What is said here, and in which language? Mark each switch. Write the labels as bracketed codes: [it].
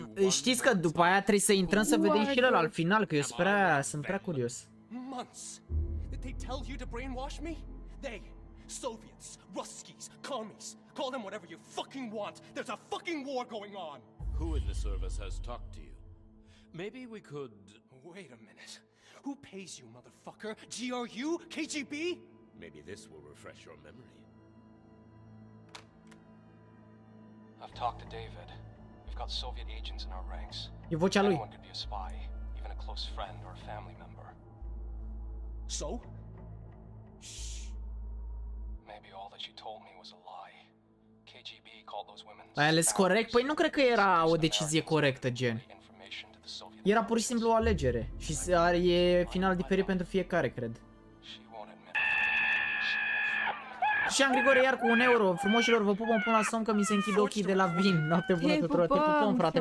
[ro] Știți că după aia trebuie să intrăm să vedem și ăla al final, că eu sunt prea curios. [en] Months. Did they tell you to brainwash me? They, Soviets, Ruskies, commies, call them whatever you fucking want. There's a fucking war going on. Who in the service has talked to you? Maybe we could. Wait a minute. Who pays you, motherfucker? GRU? KGB? Maybe this will refresh your memory. I've talked to David. We've got Soviet agents in our ranks. [ro] E vocea lui. [en] Anyone could be a spy, even a close friend or a family member. So? Shh. Maybe all that you told me was a lie. KGB called those women. [ro] Ai ales corect? Păi nu cred că era o decizie corectă, gen. Era pur și simplu o alegere. Și e final diferit pentru fiecare, cred. Și am Grigore iar cu un euro. Frumoșilor, vă pupăm până la somn că mi se închid ochii de la vin. Noapte bună tuturor. Te pupăm, frate.